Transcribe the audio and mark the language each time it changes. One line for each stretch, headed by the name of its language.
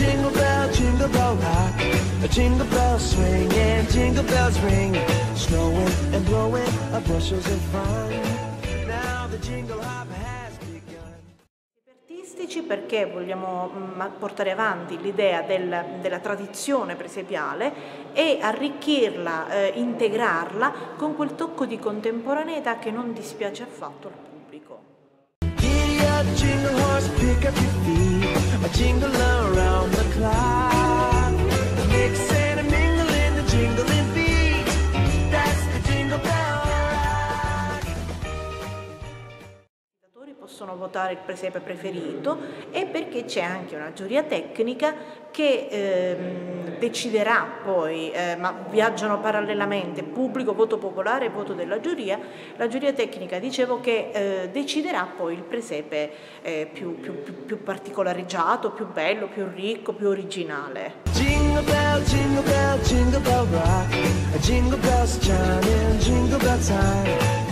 English: Jingle bells swing, yeah, jingle bells ring. Snowing and blowing up bushels of fun. Now the jingle hop has begun.
Italian: Artistici, perché vogliamo portare avanti l'idea della tradizione presepiale e arricchirla, integrarla con quel tocco di contemporaneità che non dispiace affatto al pubblico.
English: Jingle horse, pick up your feet, a jingle around the clock. Mix and a mingle in the jingling beat. That's the jingle bell rock.
Italian: I giocatori possono votare il presepe preferito e perché c'è anche una giuria tecnica che deciderà poi, ma viaggiano parallelamente pubblico, voto popolare e voto della giuria. La giuria tecnica, dicevo, che deciderà poi il presepe più particolareggiato, più bello, più ricco, più originale.
English: Jingle bell, jingle bell, jingle bell rock. Jingle bells chime in jingle bell time.